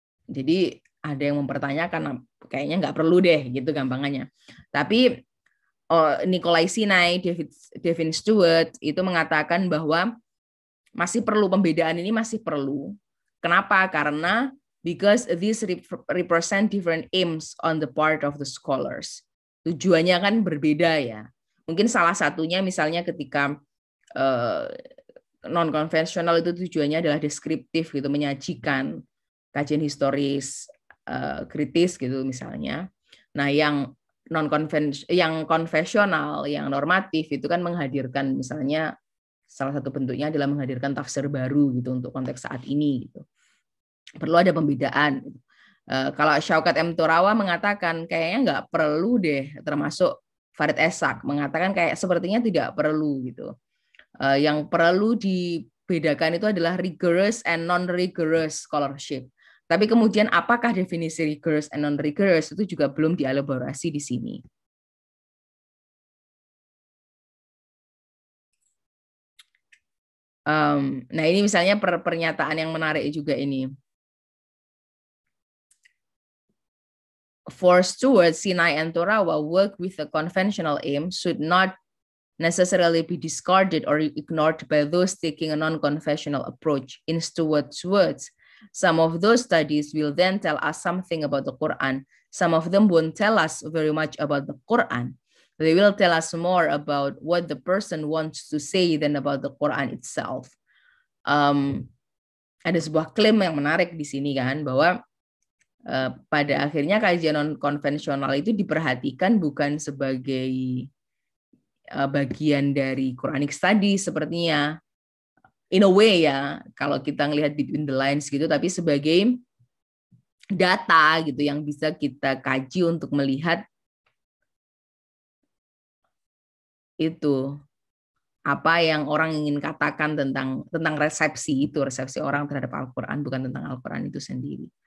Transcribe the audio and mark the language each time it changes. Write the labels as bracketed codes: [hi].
[id] Jadi ada yang mempertanyakan, kayaknya nggak perlu deh gitu gampangannya. Tapi Nikolai Sinai, Devin Stewart itu mengatakan bahwa masih perlu pembedaan ini masih perlu. Kenapa? [en] Karena because these represent different aims on the part of the scholars. [id] Tujuannya kan berbeda ya. Mungkin salah satunya misalnya ketika non-konvensional itu tujuannya adalah deskriptif gitu, menyajikan kajian historis kritis gitu misalnya. Nah, yang konvensional, yang normatif itu kan menghadirkan misalnya salah satu bentuknya adalah menghadirkan tafsir baru gitu untuk konteks saat ini gitu. Perlu ada pembedaan. Kalau Shaukat M. Turawa mengatakan kayaknya nggak perlu deh, termasuk Farid Esak mengatakan kayak sepertinya tidak perlu gitu. Yang perlu dibedakan itu adalah [en] rigorous and non-rigorous scholarship. [id] Tapi kemudian apakah definisi [en] rigorous and non-rigorous [id] itu juga belum dielaborasi di sini. Nah ini misalnya pernyataan yang menarik juga ini. [en] For Stewart, Sinai and Turawa, work with a conventional aim should not necessarily be discarded or ignored by those taking a non-conventional approach. In Stewart's words, some of those studies will then tell us something about the Quran. Some of them won't tell us very much about the Quran. They will tell us more about what the person wants to say than about the Quran itself. [id] Ada sebuah klaim yang menarik di sini kan, bahwa pada akhirnya kajian non-konvensional itu diperhatikan bukan sebagai bagian dari Qur'anic study sepertinya. [en] In a way [id] ya, kalau kita ngelihat [en] between the lines [id] gitu, tapi sebagai data gitu yang bisa kita kaji untuk melihat itu apa yang orang ingin katakan tentang resepsi itu, resepsi orang terhadap Al-Quran, bukan tentang Al-Quran itu sendiri.